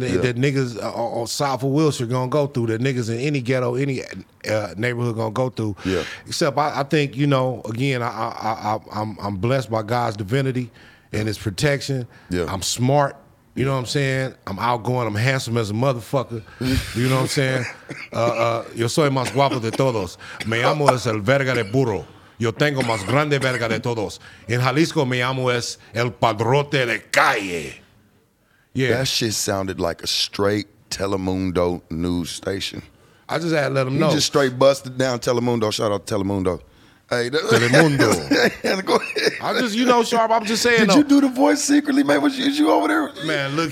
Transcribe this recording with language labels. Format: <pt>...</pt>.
<en>That niggas on South of Wilshire gonna go through. That niggas in any ghetto, any neighborhood gonna go through. Yeah. Except I think, you know, again, I'm blessed by God's divinity and his protection. Yeah. I'm smart. You know what I'm saying? I'm outgoing. I'm handsome as a motherfucker. You know what I'm saying?</en> <es>Yo soy más guapo de todos. Me llamo es el verga de burro. Yo tengo más grande verga de todos. En Jalisco, me llamo es el padrote de calle.</es> <en>Yeah. That shit sounded like a straight Telemundo news station. I just had to let him know. You just straight busted down Telemundo. Shout out Telemundo. Hey, Telemundo. Go ahead. I just, you know, Sharp, I'm just saying. Did you do the voice secretly, man? Was you over there? Man, look</en>